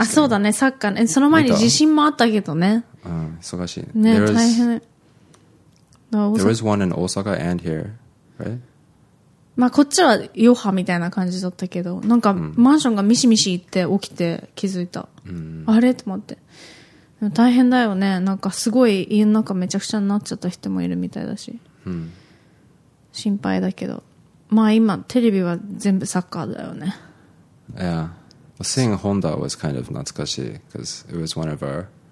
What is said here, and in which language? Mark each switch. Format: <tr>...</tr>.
<ja>あ、そうだね、サッカーね。その前に地震もあったけどね。うん、忙しい。ね、大変。</ja> <en>There was one in Osaka and here, right?</en> <ja>まあ、こっちは余波みたいな感じだったけど、なんかマンションがミシミシ行って起きて気づいた。あれ?と思って。でも大変だよね。なんかすごい家の中めちゃくちゃになっちゃった人もいるみたいだし。心配だけど。まあ今、テレビは全部サッカーだよね。</ja> <en>Yeah, seeing Honda was kind of 懐かしい because it was one of our</en>